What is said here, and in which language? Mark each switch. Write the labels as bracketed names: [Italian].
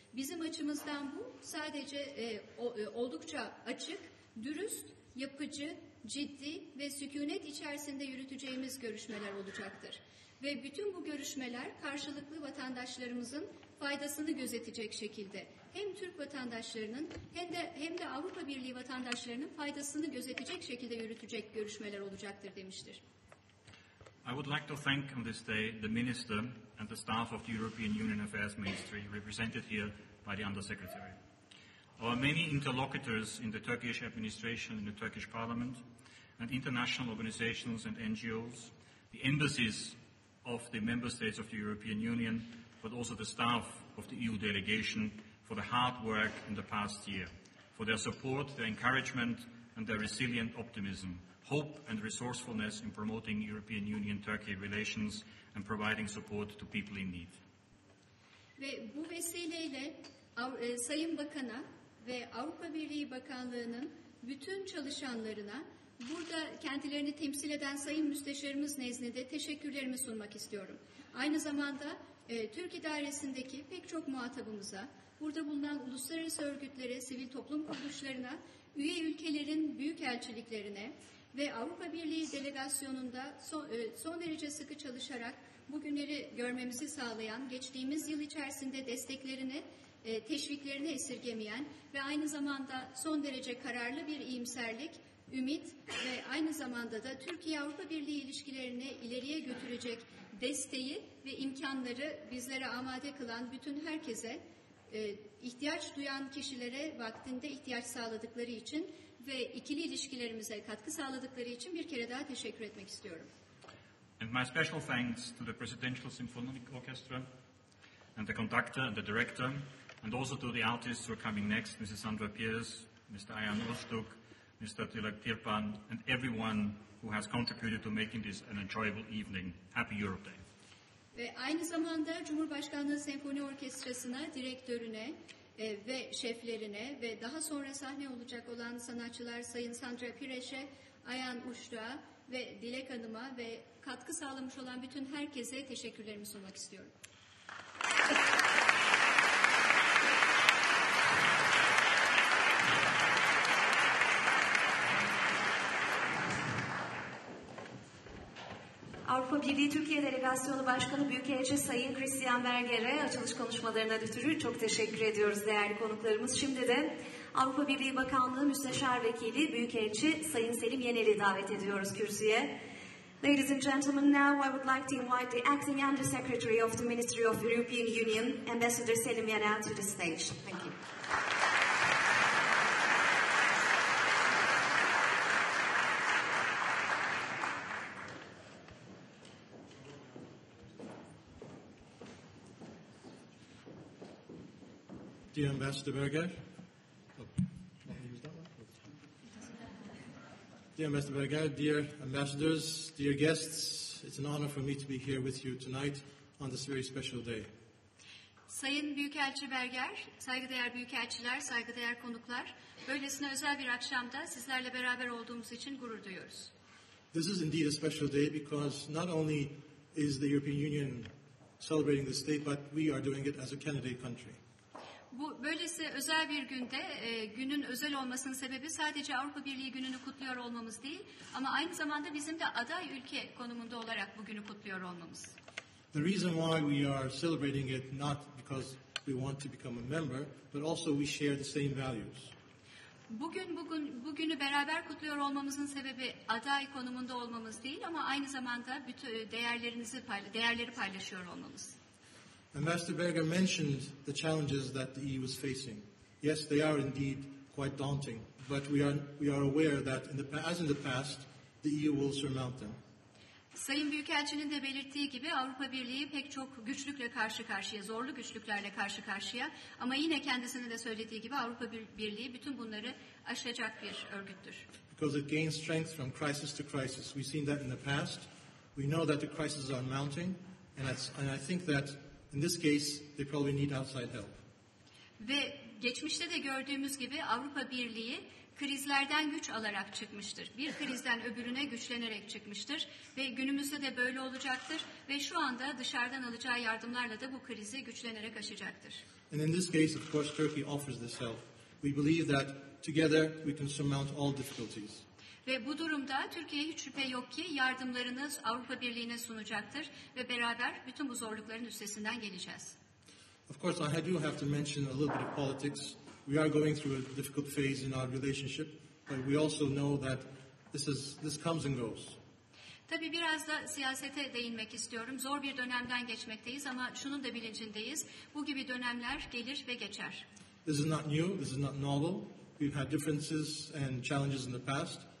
[Turkish] Bizim açımızdan bu sadece oldukça açık, dürüst, yapıcı, ciddi ve sükunet içerisinde yürüteceğimiz görüşmeler olacaktır. Ve bütün bu görüşmeler karşılıklı vatandaşlarımızın faydasını gözetecek şekilde hem Türk vatandaşlarının hem de Avrupa Birliği vatandaşlarının faydasını gözetecek şekilde yürütecek görüşmeler olacaktır demiştir. [English] I would like to thank on this day the minister and the staff of the European Union Affairs Ministry represented here by the Undersecretary. Our many interlocutors in the Turkish administration, in the Turkish parliament, and international organizations and NGOs, the embassies of the member states of the European Union, but also the staff of the EU delegation for the hard work in the past year, for their support, their encouragement, and their resilient optimism, hope and resourcefulness in promoting European Union-Turkey relations and providing support to people in need. [Turkish] Ve bu vesileyle Sayın Bakan'a ve Avrupa Birliği Bakanlığı'nın bütün çalışanlarına, burada kendilerini temsil eden Sayın Müsteşarımız nezdinde teşekkürlerimi sunmak istiyorum. Aynı zamanda Türk İdaresi'ndeki pek çok muhatabımıza, burada bulunan uluslararası örgütlere, sivil toplum kuruluşlarına, üye ülkelerin büyükelçiliklerine ve Avrupa Birliği delegasyonunda son derece sıkı çalışarak bugünleri görmemizi sağlayan, geçtiğimiz yıl içerisinde desteklerini, teşviklerini esirgemeyen ve aynı zamanda son derece kararlı bir iyimserlik, ümit ve aynı zamanda da Türkiye-Avrupa Birliği ilişkilerini ileriye götürecek desteği ve imkanları bizlere amade kılan bütün herkese, ihtiyaç duyan kişilere vaktinde ihtiyaç sağladıkları için ve ikili ilişkilerimize katkı sağladıkları için bir kere daha teşekkür etmek istiyorum. [English] And my special thanks to the Presidential Symphonic Orchestra and the conductor and the director and also to the artists who are coming next, Mrs. Sandra Pierce, Mr. Ayan Ustuk, Mr. Tilak Tirpan and everyone who has contributed to making this an enjoyable evening. Happy Europe Day. [Turkish] Ve aynı zamanda Cumhurbaşkanlığı Senfoni Orkestrası'na, direktörüne ve şeflerine ve daha sonra sahne olacak olan sanatçılar Sayın Sandra Pires'e, Ayan Uçtuğ'a ve Dilek Hanım'a ve katkı sağlamış olan bütün herkese teşekkürlerimi sunmak istiyorum. Avrupa Birliği Türkiye Delegasyonu Başkanı Büyükelçi Sayın Christian Berger'e açılış konuşmalarına ötürü çok teşekkür ediyoruz değerli konuklarımız. Şimdi de Avrupa Birliği Bakanlığı Müsteşar Vekili Büyükelçi Sayın Selim Yeneli davet ediyoruz kürsüye. [English] Ladies and gentlemen, now I would like to invite the Acting Undersecretary of the Ministry of European Union, Ambassador Selim Yeneli, to the stage. Thank you. Dear Ambassador Berger, dear ambassadors, dear guests, it's an honor for me to be here with you tonight on this very special day. [Turkish] Sayın Büyükelçi Berger, saygıdeğer büyükelçiler, saygıdeğer konuklar, böylesine özel bir akşamda sizlerle beraber olduğumuz için gurur duyuyoruz. [English] This is indeed a special day because not only is the European Union celebrating this day, but we are doing it as a candidate country. [Turkish] Bu böylesi özel bir günde, günün özel olmasının sebebi sadece Avrupa Birliği gününü kutluyor olmamız değil, ama aynı zamanda bizim de aday ülke konumunda olarak bugünü kutluyor olmamız. [English] The reason why we are celebrating it not because we want to become a member, but also we share the same values. [Turkish] Bugünü beraber kutluyor olmamızın sebebi aday konumunda olmamız değil, ama aynı zamanda bütün değerleri paylaşıyor olmamız. [English] Ambassador Berger mentioned the challenges that the EU is facing. Yes, they are indeed quite daunting, but we are aware that as in the past, the EU will surmount them. [Turkish] Sayın Büyükelçinin de belirttiği gibi Avrupa Birliği pek çok güçlükle karşı karşıya, zorlu güçlüklerle karşı karşıya, ama yine kendisinin de söylediği gibi Avrupa Birliği bütün bunları aşacak bir örgüttür. [English] Because it gains strength from crisis to crisis. We've seen that in the past. We know that the crises are mounting, and I think that in this case, they probably need outside help. [Turkish] Ve geçmişte de gördüğümüz gibi Avrupa Birliği krizlerden güç alarak çıkmıştır. Bir krizden öbürüne güçlenerek çıkmıştır ve günümüzde de böyle olacaktır ve şu anda dışarıdan alacağı yardımlarla da bu krizi güçlenerek aşacaktır. [English] And in this case, of course, Turkey offers this help. We believe that together we can surmount all difficulties. [Turkish] Ve bu durumda Türkiye hiç şüphe yok ki yardımlarınız Avrupa Birliği'ne sunacaktır ve beraber bütün bu zorlukların üstesinden geleceğiz. [English] Of course, I do have to mention a little bit of politics. We are going through a difficult phase in our relationship, but we also know that this comes and goes. [Turkish] Tabii biraz da siyasete değinmek istiyorum. Zor bir dönemden geçmekteyiz ama şunun da bilincindeyiz. Bu gibi dönemler gelir ve geçer. [English] This is not new, this is not novel. We've had differences and challenges in the past.